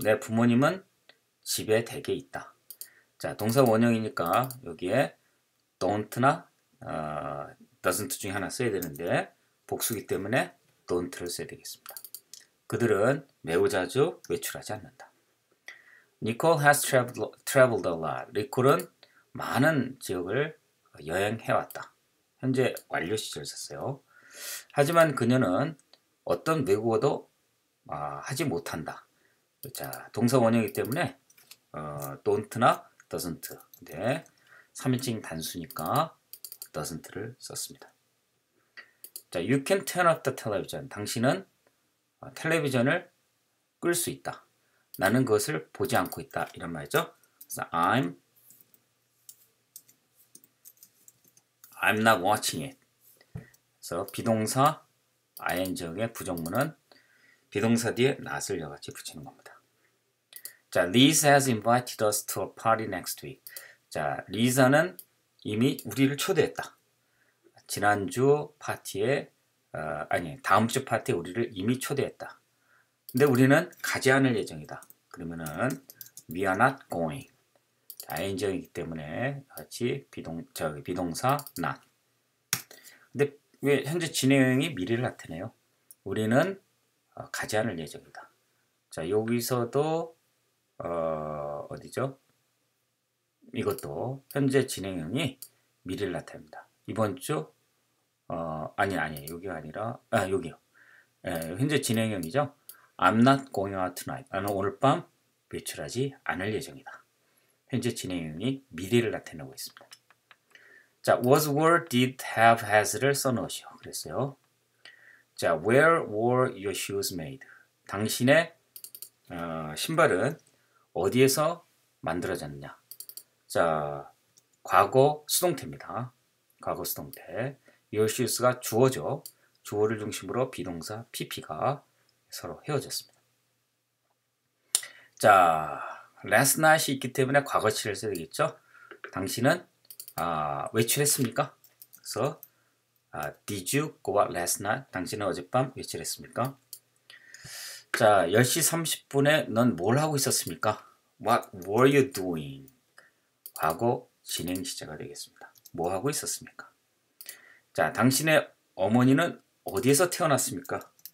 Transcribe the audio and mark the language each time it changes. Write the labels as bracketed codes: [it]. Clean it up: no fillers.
[ko] 내 부모님은 집에 대개 있다. 자, 동사 원형이니까 여기에 don't나 doesn't 중에 하나 써야 되는데 복수기 때문에 don't를 써야 되겠습니다. 그들은 매우 자주 외출하지 않는다. [en] Nicole has traveled a lot. [ko] 리콜은 많은 지역을 여행해왔다. 현재 완료 시제를 썼어요. 하지만 그녀는 어떤 외국어도 하지 못한다. 자, 동사 원형이기 때문에 don't나 doesn't. 네, 3인칭 단수니까 doesn't를 썼습니다. [en] 자, you can turn off the television. [ko] 당신은 텔레비전을 끌 수 있다. 나는 그것을 보지 않고 있다. 이런 말이죠. 그래서 [en] I'm not watching it. [ko] 그래서 비동사 ing의 부정문은 비동사 뒤에 not을 여같이 붙이는 겁니다. [en] 자, Liz has invited us to a party next week. [ko] 자, Lisa는 이미 우리를 초대했다. 지난주 파티에 다음 주 파티에 우리를 이미 초대했다. 근데 우리는 가지 않을 예정이다. 그러면은 [en] we are not going. [ko] 자, ing이기 때문에 같이 비동사 not. 근데 왜 현재 진행형이 미래를 나타내요? 우리는 가지 않을 예정이다. 자, 여기서도 어디죠? 이것도 현재 진행형이 미래를 나타냅니다. 이번 주 여기가 아니라 여기요. 현재 진행형이죠. [en] I'm not going out tonight. [ko] 나는 오늘 밤 외출하지 않을 예정이다. 현재 진행형이 미래를 나타내고 있습니다. 자, was, were, did, have, has를 써놓으시오. 그랬어요. [en] 자, where were your shoes made? [ko] 당신의 신발은 어디에서 만들어졌느냐? 자, 과거 수동태입니다. 과거 수동태. Your shoes가 주어죠. 주어를 중심으로 비동사 PP가 서로 헤어졌습니다. 자, last night이 있기 때문에 과거치를 써야 되겠죠. 당신은 외출했습니까? 그래서 [en] did you go out last night? [ko] 당신은 어젯밤 외출했습니까? 자, 10시 30분에 넌 뭘 하고 있었습니까? [en] What were you doing? [ko] 과거 진행시제가 되겠습니다. 뭐 하고 있었습니까? 자, 당신의 어머니는 어디에서 태어났습니까?